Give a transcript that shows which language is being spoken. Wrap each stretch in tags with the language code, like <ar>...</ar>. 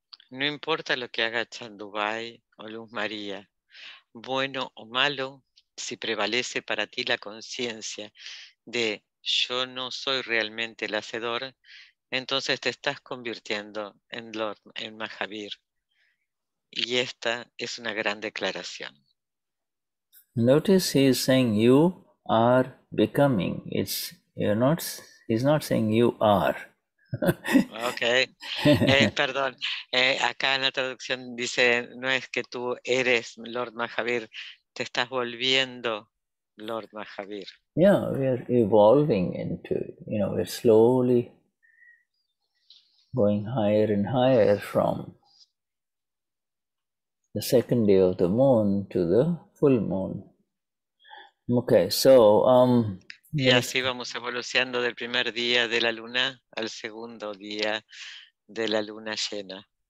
<es>No importa lo que haga Chandubhai o Luz María, bueno o malo, si prevalece para ti la conciencia de yo no soy realmente el hacedor, entonces te estás convirtiendo en Lord, en Mahavir. Y esta es una gran declaración.</es> <en>Notice he is saying you are becoming. He's not saying you are.</en> <es>Okay. Perdón. Acá en la traducción dice, no es que tú eres Lord Mahavir, te estás volviendo Lord Mahavir.</es> <en>Yeah, we are evolving into, you know, we're slowly going higher and higher from the second day of the moon to the full moon. Okay, so</en> <es>y así vamos evolucionando del primer día de la luna al segundo día de la luna llena.</es>